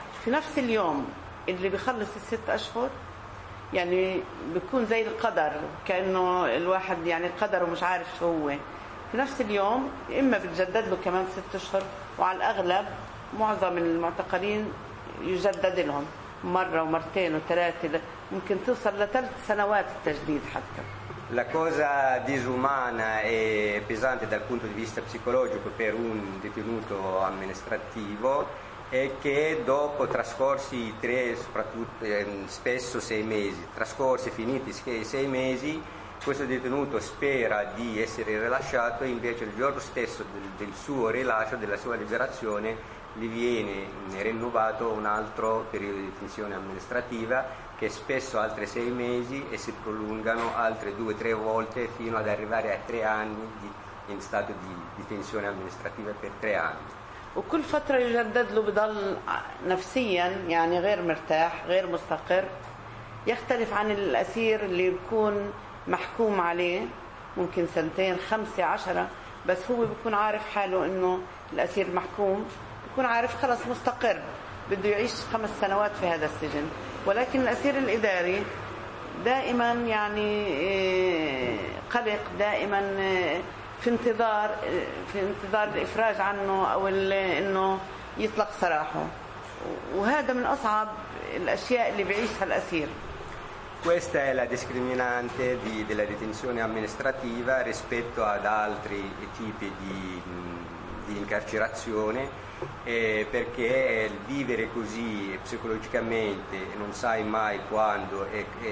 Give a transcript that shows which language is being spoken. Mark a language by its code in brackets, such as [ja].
[ar] في نفس اليوم اللي بيخلص الست اشهر يعني بيكون زي القدر, كانه الواحد يعني القدر ومش عارف شو هو. في نفس اليوم اما بتجدد له كمان ست اشهر, وعلى الاغلب معظم المعتقلين يجدد لهم مره ومرتين وثلاثه, ممكن توصل لثلاث سنوات التجديد حتى. [it] La cosa disumana e pesante dal punto di vista psicologico per un detenuto amministrativo è che dopo trascorsi tre, soprattutto spesso sei mesi, trascorsi, finiti i sei mesi, questo detenuto spera di essere rilasciato e invece il giorno stesso del suo rilascio, della sua liberazione, gli viene rinnovato un altro periodo di detenzione amministrativa che spesso altri sei mesi e si prolungano altre due o tre volte fino ad arrivare a 3 anni in stato di detenzione amministrativa per 3 anni. [ar] وكل فترة يجدد له بضل نفسيا يعني غير مرتاح غير مستقر, يختلف عن الأسير اللي بيكون محكوم عليه ممكن سنتين خمسة عشرة, بس هو بيكون عارف حاله إنه الأسير محكوم, بيكون عارف خلاص مستقر بده يعيش خمس سنوات في هذا السجن. ولكن الأسير الإداري دائما يعني قلق, دائما في انتظار الإفراج عنه أو إنه يطلق سراحه. وهذا من أصعب الأشياء اللي بيعيشها الأسير. [it] Questa è la discriminante della detenzione amministrativa rispetto ad altri tipi di incarcerazione, perché vivere così psicologicamente non sai mai quando e